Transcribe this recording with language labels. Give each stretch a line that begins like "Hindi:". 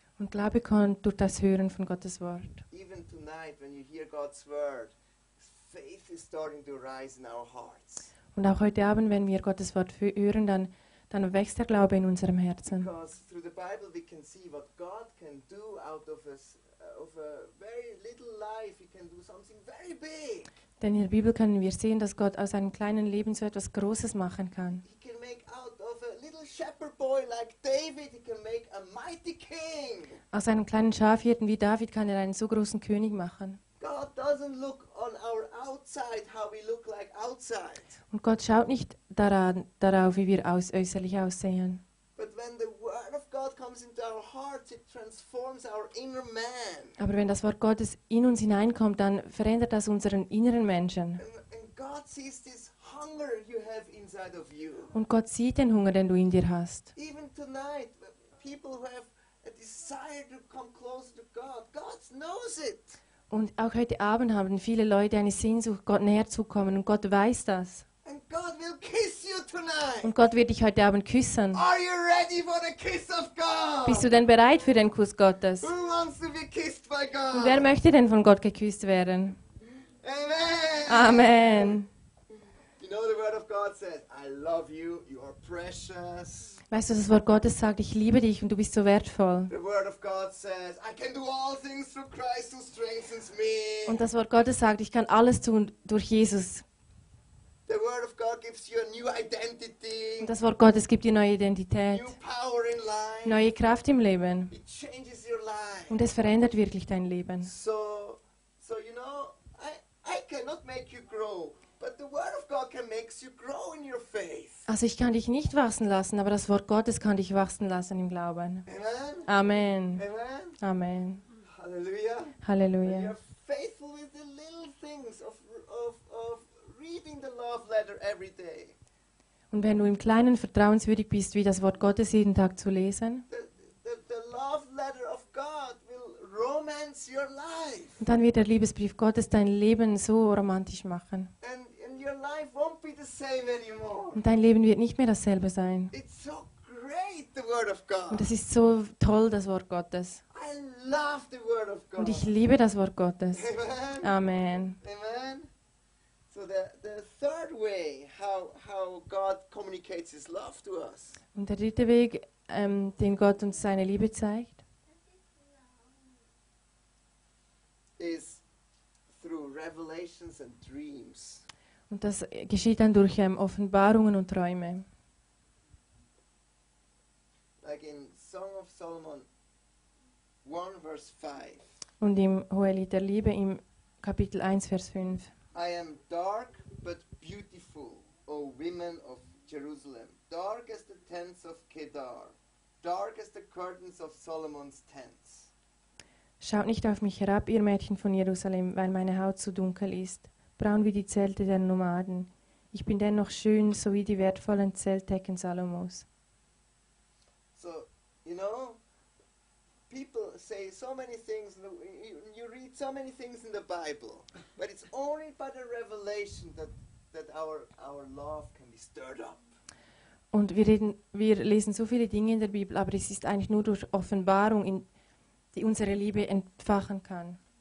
German: Und Glaube kommt durch das Hören von Gottes Wort.
English: Even tonight, when you hear God's word, faith is starting to rise in our hearts.
German: Und auch heute Abend, wenn wir Gottes Wort hören, dann wächst der Glaube in unserem Herzen.
English: Because through the Bible we can see what God can do out of us, of a very little life, he can do something very big.
German: Denn in der Bibel können wir sehen, dass Gott aus einem kleinen Leben so etwas Großes machen kann.
English: He can make out of a little shepherd boy like David, he can make a mighty king.
German: Aus einem kleinen Schafhirten wie David kann er einen so großen König machen.
English: God doesn't look on our outside how we look like outside.
German: Und Gott schaut nicht darauf, wie wir äußerlich aussehen.
English: But when the word of God comes into our hearts, it transforms our inner man.
German: Aber wenn das Wort Gottes in uns hineinkommt, dann verändert das unseren inneren Menschen.
English: And God sees this hunger you have inside of you.
German: Und Gott sieht den Hunger, den du in dir hast.
English: Even tonight, people who have a desire to come closer to God, God knows it.
German: Und auch heute Abend haben viele Leute eine Sehnsucht, Gott näher zu kommen, und Gott weiß das.
English: And God will kiss you tonight.
German: Und Gott wird dich heute Abend küssen.
English: Are you ready for the kiss of God?
German: Bist du denn bereit für den Kuss Gottes?
English: Who wants to be kissed by God?
German: Und wer möchte denn von Gott geküsst werden?
English: Amen.
German: Amen.
English: You know the word of God says, I love you, you are precious.
German: Weißt du, das Wort Gottes sagt, ich liebe dich und du bist so wertvoll.
English: The word of God says, I can do all things through Christ who strengthens me.
German: Und das Wort Gottes sagt, ich kann alles tun durch Jesus.
English: The word of God gives you a new identity.
German: Und das Wort Gottes gibt dir neue Identität.
English: New power in life.
German: Neue Kraft im Leben.
English: It changes your life.
German: Und es verändert wirklich dein Leben.
English: So you know, I cannot make you grow. But the word of God can make you grow in your faith.
German: Also ich kann dich nicht wachsen lassen, aber das Wort Gottes kann dich wachsen lassen im Glauben.
English: Amen.
German: Amen.
English: Amen.
German: Amen.
English: Halleluja.
German: Halleluja.
English: And you are faithful with the little things of reading the love letter every day.
German: Und wenn du im Kleinen vertrauenswürdig bist, wie das Wort Gottes jeden Tag zu lesen,
English: the love letter of God will romance your life.
German: Und dann wird der Liebesbrief Gottes dein Leben so romantisch machen.
English: Your life won't be the same anymore.
German: Und dein Leben wird nicht mehr dasselbe sein.
English: It's so great, the word of God.
German: Und das ist so toll, das Wort Gottes.
English: I love the word of God.
German: Und ich liebe das Wort Gottes.
English: Amen.
German: Amen.
English: Amen. So the third way how God communicates his love to us.
German: Und der dritte Weg, den Gott uns seine Liebe zeigt,
English: is through revelations and dreams.
German: Und das geschieht dann durch Offenbarungen und Träume.
English: Like in Song of Solomon 1, verse 5.
German: Und im Hohelied der Liebe im Kapitel 1, Vers 5.
English: I am dark but beautiful, O women of Jerusalem, dark as the tents of Kedar, dark as the curtains of Solomon's tents.
German: Schaut nicht auf mich herab, ihr Mädchen von Jerusalem, weil meine Haut zu dunkel ist. Braun wie die Zelte der Nomaden. Ich bin dennoch schön, so wie die wertvollen Zeltdecken Salomos.
English: So, you know, people say so many things, you read so many things in the Bible, but it's only by the revelation that our love can be stirred up.
German: Und wir lesen so viele Dinge in der Bibel, aber es ist eigentlich nur durch Offenbarung, die unsere Liebe entfachen kann.